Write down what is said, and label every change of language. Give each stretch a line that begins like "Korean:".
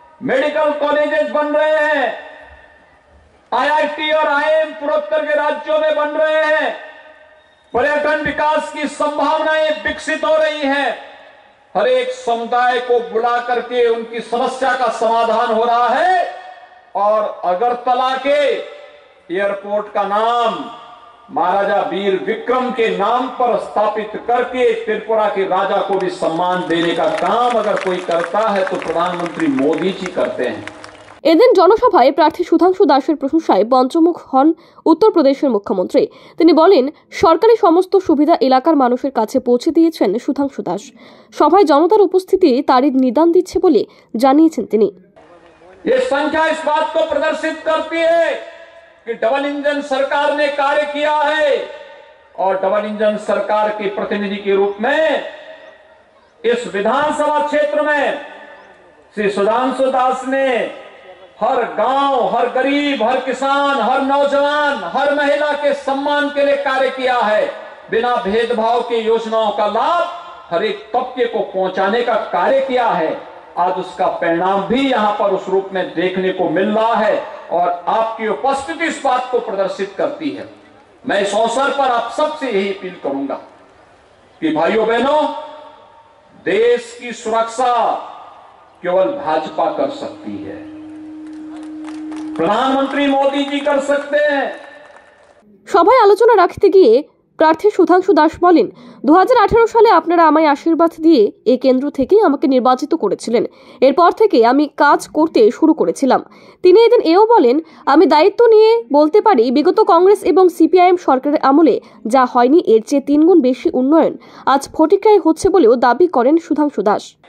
Hindi: Medical colleges बन रहे हैं, आईआईटी और आईएम पूर्वोत्तर के राज्यों में बन रहे हैं, पर्यटन विकास की संभावनाएं विकसित हो रही हैं, हर एक समुदाय को बुला करके उनकी समस्या का समाधान हो रहा है। और अगरतला के एयरपोर्ट का नाम महाराजा वीर विक्रम के नाम पर स्थापित करके त्रिपुरा के राजा को भी सम्मान देने का काम अगर कोई करता है तो प्रधानमंत्री मोदी जी करते हैं।
Bangla: এদিন জনসভায় প্রার্থী সুধাংশু দাসের প্রশংসায় পঞ্চমুখ হন উত্তর প্রদেশের মুখ্যমন্ত্রী। তিনি বলেন, সরকারি সমস্ত সুবিধা এলাকার মানুষের কাছে পৌঁছে দিয়েছেন সুধাংশু দাস। সভায় জনতার উপস্থিতি তারই নিদান দিচ্ছে বলে জানিয়েছেন তিনি।
Hindi: ये संख्या इस बात को प्रदर्शित करती है कि डबल इंजन सरकार ने कार्य किया है और डबल इंजन सरकार के प्रतिनिधि के रूप में इस विधानसभा क्षेत्र में श्री सुधांशु दास ने हर गांव, हर गरीब, हर किसान, हर नौजवान, हर महिला के सम्मान के लिए कार्य किया है। बिना भेदभाव के योजनाओं का लाभ हर एक तबके को पहुंचाने का कार्य किया है। आज उसका परिणाम भी यहाँ पर उस रूप में देखने को मिल रहा है और आपकी उपस्थिति इस बात को प्रदर्शित करती है। मैं इस अवसर पर आप सबसे यही अपील करूंगा कि भाइयों बहनों, देश की सुरक्षा केवल भाजपा कर सकती है, प्रधानमंत्री मोदी जी कर सकते हैं। सभा आलोचना रखते गए
Bangla: প্রার্থী সুধাংশু দাস বলেন, 2018 সালে আপনারা আমায় আশীর্বাদ দিয়ে এ কেন্দ্র থেকে আমাকে নির্বাচিত করেছিলেন। এরপর থেকে আমি কাজ করতে শুরু করেছিলাম। তিনি এদিন এও বলেন, আমি দায়িত্ব নিয়ে বলতে পারি বিগত কংগ্রেস এবং সিপিআইএম সরকারের আমলে যা হয়নি এর চেয়ে তিনগুণ বেশি উন্নয়ন আজ ফটিকরায় হচ্ছে বলেও দাবি করেন সুধাংশু দাস।